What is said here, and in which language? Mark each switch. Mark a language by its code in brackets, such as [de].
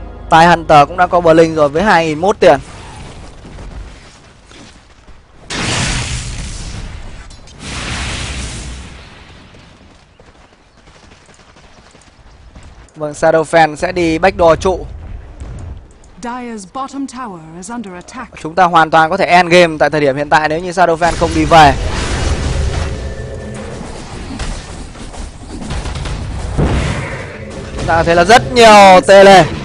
[vi] Tài Hunter cũng đã có blink rồi với 2.001 tiền. Vâng, Shadowfen sẽ đi backdoor trụ. [en] Dire's bottom tower is under attack. [vi] Chúng ta hoàn toàn có thể end game tại thời điểm hiện tại nếu như Shadowfen không đi về. Chúng ta có thể là rất nhiều tele.